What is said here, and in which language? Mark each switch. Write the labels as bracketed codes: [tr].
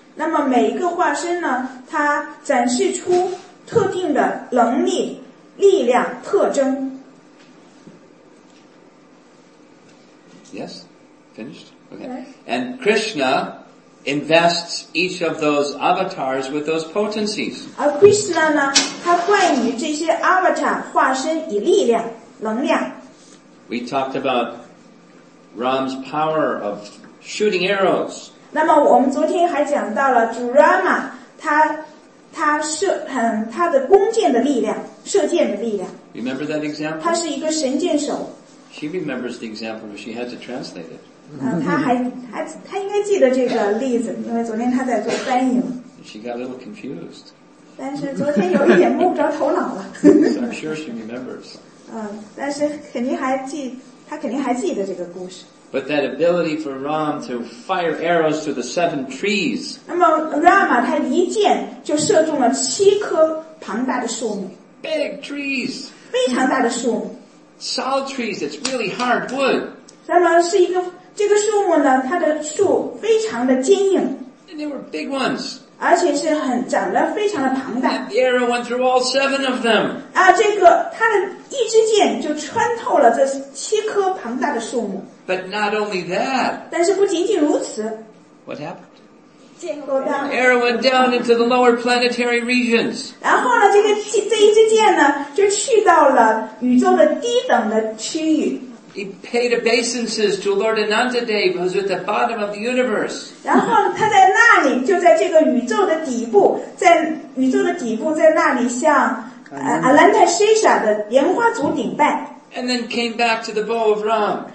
[zh] 那么每一个化身呢，它展示出特定的能力、力量、特征。 [en] Yes, finished. Okay. And Krishna. Invests each of those avatars with those potencies. [zh] Krishna 呢，他冠以这些 avatar 化身以力量、能量。 [en] We talked about Ram's power of shooting arrows. [zh] 那么我们昨天还讲到了主 Rama 他的弓箭的力量、射箭的力量。 [en] Remember that example? [zh] 他是一个神箭手。 [en] She remembers the example, but she had to translate it. [zh] 他应该记得这个例子，因为昨天他在做翻译了。 [en] She got a little confused. [zh] 但是昨天有一点摸不着头脑了。 [en] I'm sure she remembers. [zh] 但是肯定还记，他肯定还记得这个故事。 [en] But that ability for Ram to fire arrows through the seven trees. [zh] 那么 Rama 他一箭就射中了七棵庞大的树木。 [en] Big trees. [zh] 非常大的树木。 [en] Solid trees. It's really hard wood. [zh] 那么是一个。这个树木呢，它的树非常的坚硬， [en] And they were big ones. [zh] 而且是很长得非常的庞大。 [en] And the arrow went through all seven of them. [zh] 啊，这个它的一支箭就穿透了这七棵庞大的树木。 [en] But not only that. [zh] 但是不仅仅如此。 [en] What happened? arrow went down into the lower planetary regions. [zh] 然后呢, 这一支箭呢, 就去到了宇宙的低等的区域。 [en] He paid obeisances to Lord Anandadeva, who's at the bottom of the universe. [zh] 然后他在那里,就在这个宇宙的底部,在宇宙的底部,在那里向Anandasesha的莲花祖顶拜。 [en] And then came back to the bow of Ram.